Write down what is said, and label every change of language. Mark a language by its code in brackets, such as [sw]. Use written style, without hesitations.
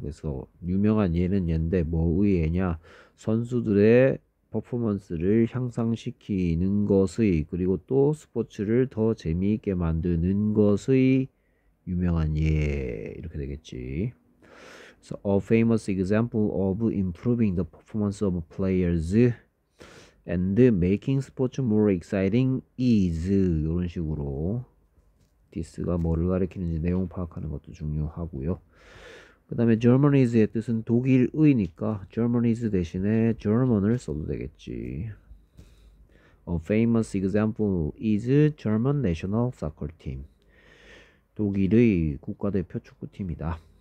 [ko] 그래서 유명한 예는 예인데 뭐의 예냐? 선수들의 퍼포먼스를 향상시키는 것의, 그리고 또 스포츠를 더 재미있게 만드는 것의 유명한 예. 이렇게 되겠지. [en] So, a famous example of improving the performance of players and making sports more exciting is. [ko] 이런 식으로. This가 뭐를 가리키는지 내용 파악하는 것도 중요하고요. 그 다음에 Germany's의 뜻은 독일의니까 Germany's 대신에 German을 써도 되겠지. [en] A famous example is German national soccer team. [ko] 독일의 국가대표 축구팀이다.